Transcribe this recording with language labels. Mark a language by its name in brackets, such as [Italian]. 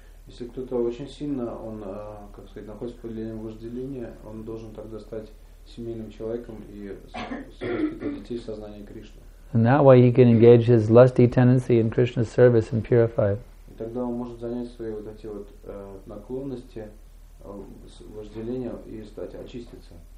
[Russian] Если кто-то очень сильно, он, как сказать, находится под влиянием вожделения, он должен тогда стать семейным человеком и воспитать детей в сознании Кришны. [English] And that way he can engage his lusty tendency in Krishna's service and purify. [Russian] И тогда он может занять свои вот эти вот наклонности вожделения и стать очиститься.